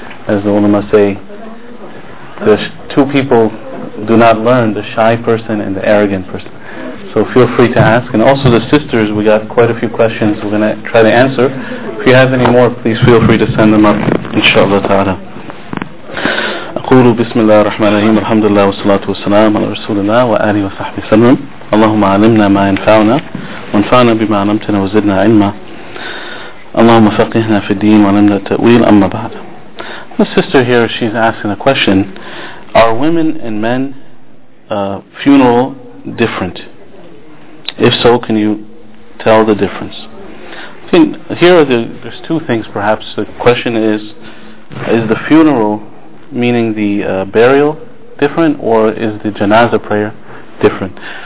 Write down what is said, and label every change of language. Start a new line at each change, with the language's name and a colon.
English: As the ulama say, the two people do not learn, the shy person and the arrogant person. So So feel free to ask. And also the sisters, we got quite a few questions we're going to try to answer. If you have any more, please feel free to send them up, inshallah ta'ala.
Arabic: أقول بسم الله الرحمن الرحيم الحمد لله والصلاة والسلام على رسول الله وآله وصحبه وسلم اللهم علمنا ما ينفعنا وانفعنا بما علمتنا وزدنا علما اللهم فقهنا في الدين وعلمنا التأويل أما بعد.
English: The sister here, she's asking a question. Are women and men funeral different? If so, can you tell the difference? I think here there's two things perhaps. The question is the funeral, meaning the burial, different, or is the janazah prayer different?